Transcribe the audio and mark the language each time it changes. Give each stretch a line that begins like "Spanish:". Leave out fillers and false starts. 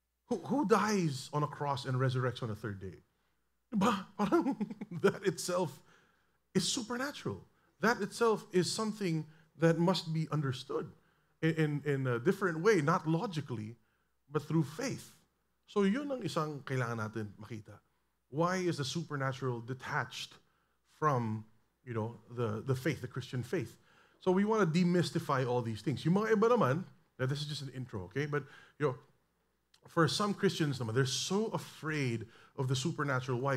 English: Who dies on a cross and resurrects on the third day? That itself is supernatural. That itself is something that must be understood in a different way, not logically, but through faith.
Filipino: So yun ang isang kailangan natin makita.
English: Why is the supernatural detached from, you know, the faith, the Christian faith? So we want to demystify all these things.
Filipino: Yung mga iba naman,
English: now this is just an intro, okay? But, you know, for some Christians, they're so afraid of the supernatural. Why?